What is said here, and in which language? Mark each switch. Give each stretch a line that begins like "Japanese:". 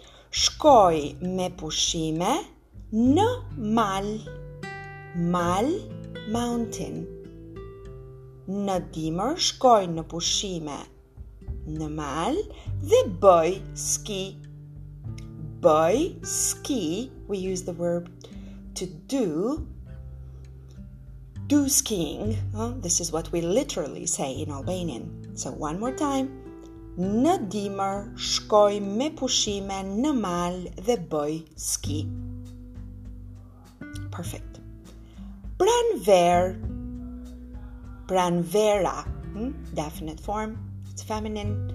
Albanian: Shkoj me pushime në mal.
English: Mal, mountain.
Albanian: Në dimër shkoj në pushime në mal dhe bëj ski. Bëj ski,
English: we use the verb to do. Do skiing, this is what we literally say in Albanian. So one more time.
Albanian: Në dimër shkoj me pushime në mal dhe bëj ski.
English: Perfect. Pranverë, pranvera, definite form, it's feminine.